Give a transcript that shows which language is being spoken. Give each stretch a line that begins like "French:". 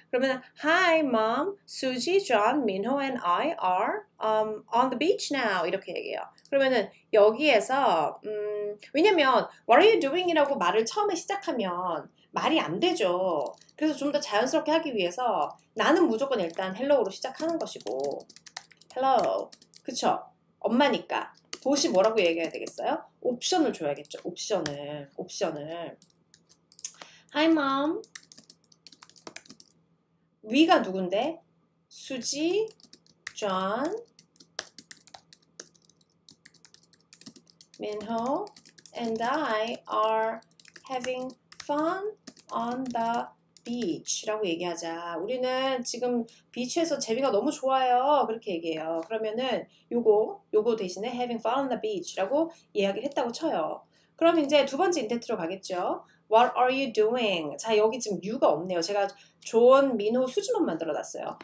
English: 그러면 Hi, Mom, Suji, John, Minho and I are on the beach now.
Korean: 이렇게 얘기해요. 그러면은 여기에서 왜냐면
English: What are you doing?
Korean: 이라고 말을 처음에 시작하면 말이 안 되죠. 그래서 좀 더 자연스럽게 하기 위해서 나는 무조건 일단 Hello로 시작하는 것이고 Hello, 그쵸? 엄마니까 도시 뭐라고 얘기해야 되겠어요? 옵션을 줘야겠죠. 옵션을 Hi, Mom. 위가 누군데?
English: 수지, 존, 민호, and I are having fun on the beach
Korean: 라고 얘기하자. 우리는 지금 비치에서 재미가 너무 좋아요. 그렇게 얘기해요. 그러면은 요거 대신에
English: having fun on the beach
Korean: 라고 이야기를 했다고 쳐요. 그럼 이제 두 번째 인텐트로 가겠죠.
English: What are you doing?
Korean: 자, 여기 지금 you가 없네요. 제가 존, 민호, 수지만 만들어놨어요.